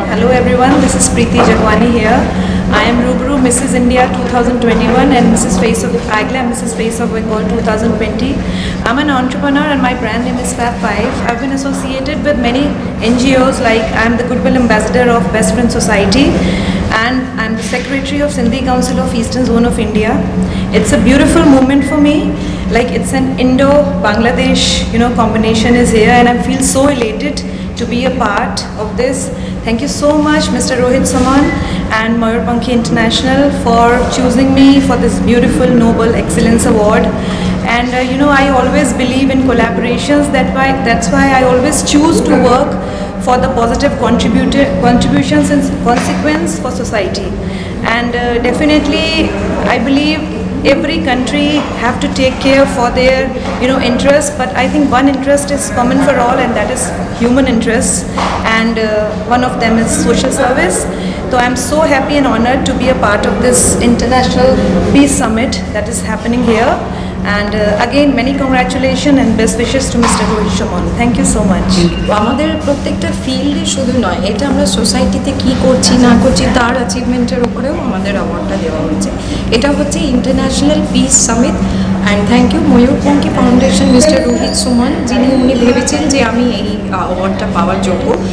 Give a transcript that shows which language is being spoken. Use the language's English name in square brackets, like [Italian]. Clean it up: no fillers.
[English] Hello everyone, this is Preeti Jagwani here, I am Rubaru Mrs India 2021 and Mrs face of iGlam Mrs face of Bengal 2020। I am an entrepreneur and my brand name is fab five. I have been associated with many NGOs, like I am the goodwill ambassador of best friend society and I'm the secretary of Sindhi Council of Eastern Zone of India. It's a beautiful moment for me, like it's an Indo-Bangladesh, you know, combination is here, and I feel so elated to be a part of this. Thank you so much, Mr. Rohit Saman and Moyurpankhi International, for choosing me for this beautiful Noble Excellence Award. And you know, I always believe in collaborations. That's why I always choose to work for the positive contributions and consequence for society. And definitely, I believe every country have to take care for their, you know, interests. But I think one interest is common for all, and that is human interests. And one of them is social service. So I'm so happy and honored to be a part of this International Peace Summit that is happening here. And again, many congratulations and best wishes to Mr. Rohit Saman. Thank you so much. [Bangla] আমাদের প্রত্যেকটা ফিল্ডে শুধু নয়, এটা আমরা সোসাইটিতে কী করছি না করছি তার অ্যাচিভমেন্টের উপরেও আমাদের অ্যাওয়ার্ডটা দেওয়া হচ্ছে। এটা হচ্ছে international piece summit. [English] and thank you [Bangla] Mayurpankhi foundation, mister Rohit Suman, যিনি উনি ভেবেছেন যে আমি এই অ্যাওয়ার্ডটা পাওয়ার যোগ্য।